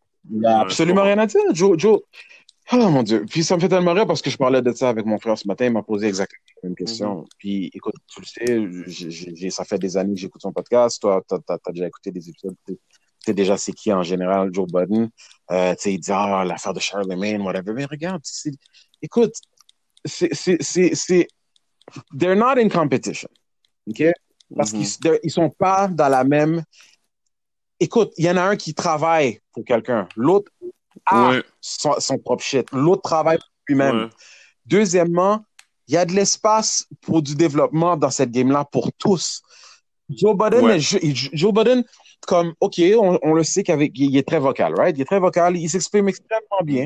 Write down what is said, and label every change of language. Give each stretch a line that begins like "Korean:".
French: Il n'y a absolument rien à dire, Joe. Oh mon Dieu. Puis ça me fait tellement rire parce que je parlais de ça avec mon frère ce matin. Il m'a posé exactement la même question. Mm-hmm. Puis écoute, tu le sais, ça fait des années que j'écoute son podcast. Toi, t'as déjà écouté des épisodes. Tu sais déjà c'est qui en général, Joe Biden. Tu sais, il dit l'affaire de Charlemagne, whatever. Mais regarde, écoute, c'est.
English: They're not in competition. OK?
French: parce qu'ils sont pas dans la même... Écoute, il y en a un qui travaille pour quelqu'un. L'autre a son propre shit. L'autre travaille pour lui-même. Ouais. Deuxièmement, il y a de l'espace pour du développement dans cette game-là pour tous. Joe Budden, comme, OK, on le sait qu'il est très vocal, right? Il est très vocal, il s'exprime extrêmement bien.